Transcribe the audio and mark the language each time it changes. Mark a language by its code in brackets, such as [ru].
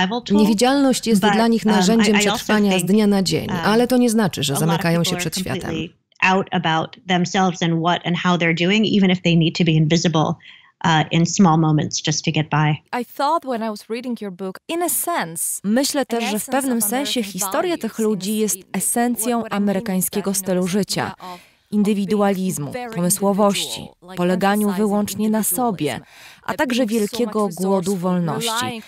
[pl] Niewidzialność jest dla nich narzędziem przetrwania z dnia na dzień, ale to nie znaczy, że zamykają się przed światem. [en] Out about themselves and what and how they're doing, even if they need to be invisible in small moments just to get by. I thought when I was reading your book, in a sense, [pl] myślę też, że w pewnym sensie historia tych ludzi jest esencją amerykańskiego stylu życia, indywidualizmu, pomysłowości, poleganiu wyłącznie na sobie, a także wielkiego głodu wolności.